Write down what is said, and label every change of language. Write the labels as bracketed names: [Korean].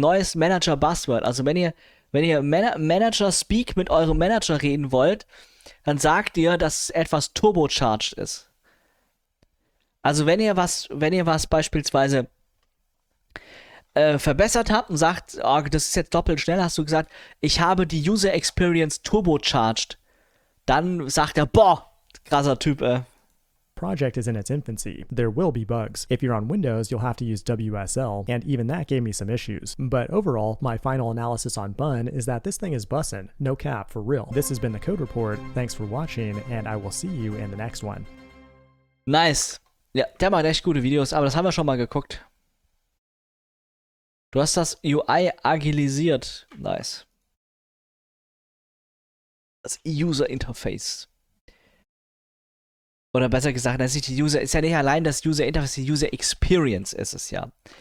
[German] Neues Manager-Buzzword. Also wenn ihr Manager-Speak mit eurem Manager reden wollt, dann sagt ihr, dass etwas turbocharged ist. Also wenn ihr was beispielsweise verbessert habt und sagt, oh, das ist jetzt doppelt schnell, hast du gesagt, ich habe die User Experience turbocharged, dann sagt er, boah, krasser Typ, [English] Project is in its infancy. There will be bugs. If you're on Windows, you'll have to use WSL, and even that gave me some issues. But overall, my final analysis on Bun is that this thing is bussin', no cap, for real. This has been the Code Report, thanks for watching, and I will see you in the next one. Nice. [German] Ja, der macht echt gute Videos, aber das haben wir schon mal geguckt. Du hast das UI agilisiert. Nice. Das User Interface. Oder besser gesagt, das ist nicht die User, ist ja nicht allein das User Interface, die User Experience ist es ja.